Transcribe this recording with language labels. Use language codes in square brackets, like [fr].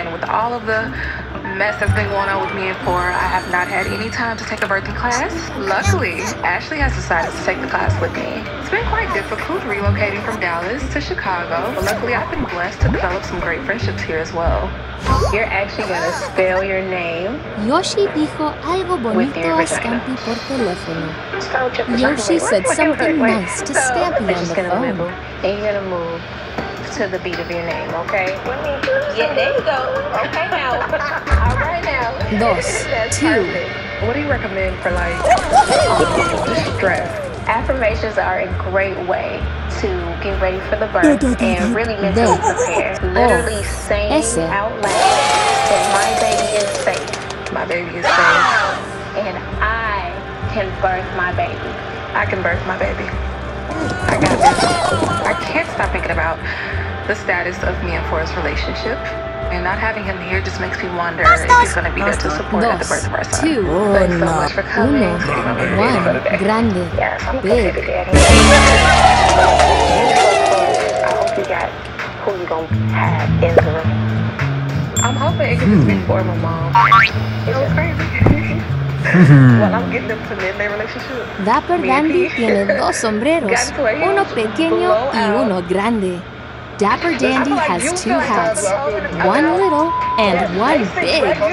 [en] All of the mess that's been going on with me and Four, I have not had any time to take a birthing class. Luckily, Ashley has decided to take the class with me. It's been quite difficult relocating from Dallas to Chicago, but luckily I've been blessed to develop some great friendships here as well. You're actually gonna spell your name. [es] Yoshi dijo algo bonito a Scampi por teléfono. [en] Yoshi said something nice to Scampi on the phone. And you're gonna move to the beat of your name, okay? Yeah, there you go. Okay, now. All right, now. Dos. Two. What do you recommend for, like, stress? Affirmations are a great way to get ready for the birth and really mentally prepare. Literally saying out loud that my baby is safe. My baby is safe. And I can birth my baby. I got this. I can't stop thinking about the status of me and Forrest's relationship, and not having him here just makes me wonder if he's going to be there to support at the birth of our son. Two. Thanks so much for coming. One. Grande. Yes, I'm big. Baby daddy. I hope you got who you're going to have in the room. I'm hoping it can just be for my mom. It was crazy. [es] Dapper Dandy tiene dos sombreros, uno pequeño y uno grande. [en] Dapper Dandy has two hats, one little and one big.